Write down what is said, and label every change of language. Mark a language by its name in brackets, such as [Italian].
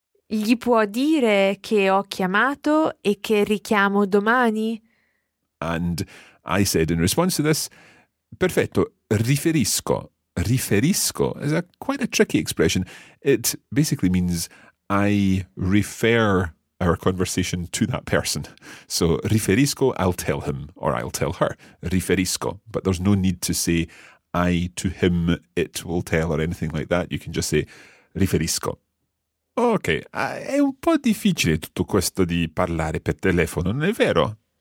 [Italian] Gli può dire che ho chiamato e che richiamo domani? [English] And I said in response to this, [Italian] perfetto, riferisco. [English] Riferisco is a quite a tricky expression. It basically means I refer our conversation to that person. So riferisco, I'll tell him or I'll tell her. Riferisco. But there's no need to say I to him, it will tell or anything like that. You can just say riferisco. [Italian] Ok, è un po' difficile tutto questo di parlare per telefono, non è vero?